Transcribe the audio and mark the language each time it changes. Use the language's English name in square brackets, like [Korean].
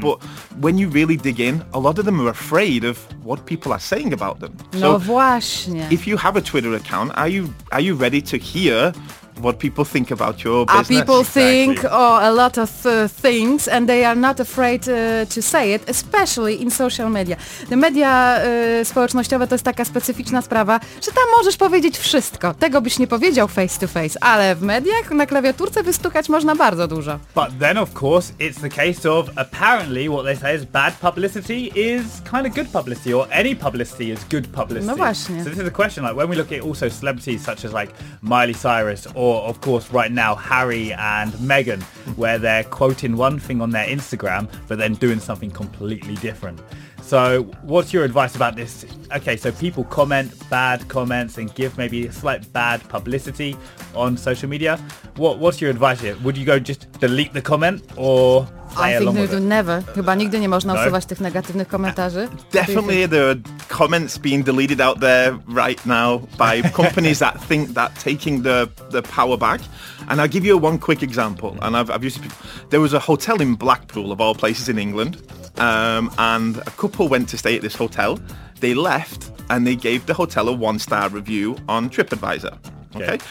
[English] Mm-hmm. But when you really dig in, a lot of them are afraid of what people are saying about them. [Polish] No, so właśnie. [English] If you have a Twitter account, are you ready to hear what people think about your business? People think a lot of things, and they are not afraid to say it, especially in social media. [Polish] The media społecznościowe to jest taka specyficzna sprawa, że tam możesz powiedzieć wszystko. Tego byś nie powiedział [English] face to face, [Polish] ale w mediach na klawiaturce wystukać można bardzo dużo. [English] But then of course it's the case of apparently what they say is bad publicity is kind of good publicity, or any publicity is good publicity. [Polish] No właśnie. [English] So this is a question, like when we look at also celebrities such as like Miley Cyrus, or of course right now Harry and Meghan, where they're quoting one thing on their Instagram but then doing something completely different. So what's your advice about this? Okay, so people comment bad comments and give maybe a slight bad publicity on social media. What's your advice here? Would you go just delete the comment or play along with it? Never. [Polish] Chyba nigdy nie można usuwać tych negatywnych komentarzy. [English] Definitely there are comments being deleted out there right now by companies that think that taking the power back. And I'll give you one quick example. And I've used it. There was a hotel in Blackpool, of all places in England. And a couple went to stay at this hotel. They left and they gave the hotel a 1-star review on TripAdvisor. Okay.